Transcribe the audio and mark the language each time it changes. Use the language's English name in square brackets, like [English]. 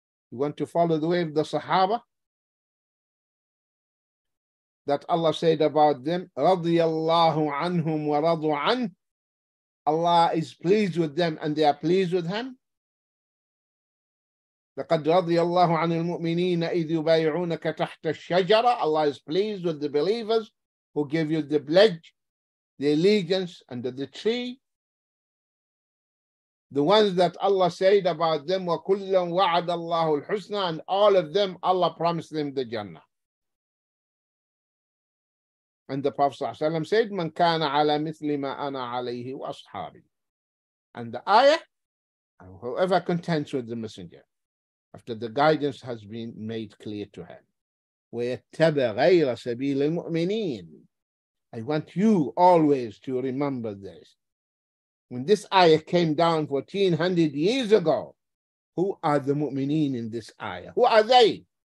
[English] You want to follow the way of the Sahaba that Allah said about them, [Arabic] radiyallahu anhum wa radu an, [English] Allah is pleased with them and they are pleased with him. [Arabic] لقد رضي الله عن المؤمنين إذ يبايعونك تحت الشجرة. [English] Allah is pleased with the believers who give you the pledge, the allegiance under the tree. The ones that Allah said about them, [Arabic] وَكُلًّا وَعَدَ اللَّهُ الْحُسْنَى, [English] and all of them, Allah promised them the Jannah. And the Prophet [Arabic] صلى الله عليه وسلم [English] said, [Arabic] مَنْ كَانَ عَلَى مِثْلِ مَا أَنَا عَلَيْهِ وَأَصْحَابِي. [English] And the ayah, whoever contends with the messenger, after the guidance has been made clear to him, [Arabic] وَيَتَّبَ غَيْرَ سَبِيلِ الْمُؤْمِنِينَ. [English] I want you always to remember this. When this ayah came down 1400 years ago, who are the mu'mineen in this ayah? Who are they?